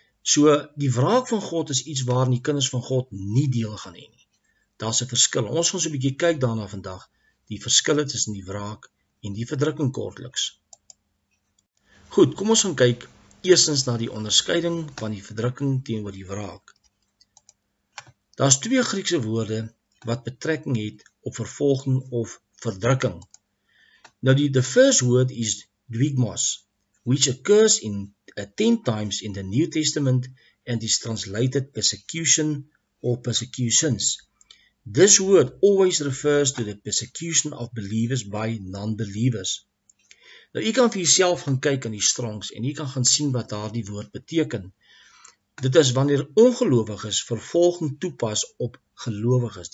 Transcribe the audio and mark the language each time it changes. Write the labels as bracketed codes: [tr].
[af] So die wraak van God is iets waarin die kinders van God nie deel gaan hê nie. Daar is 'n verskil. Ons gaan so 'n bietjie kyk daarna vandag, die verskil tussen die wraak en die verdrukking kortliks. Goed, kom ons gaan kyk eerstens na die onderskeiding van die verdrukking teenoor die wraak. Daar is 2 Griekse woorde wat betrekking het op vervolging of verdrukking. Nou [en] the first word is dwigmos, which occurs in 10 times in the New Testament and is translated persecution or persecutions. This word always refers to the persecution of believers by non-believers. [af] Nou jy kan vir jouself gaan kyk in die Strongs en jy kan gaan sien wat daardie woord beteken. Dit is wanneer ongelowiges vervolging toepas op gelowiges.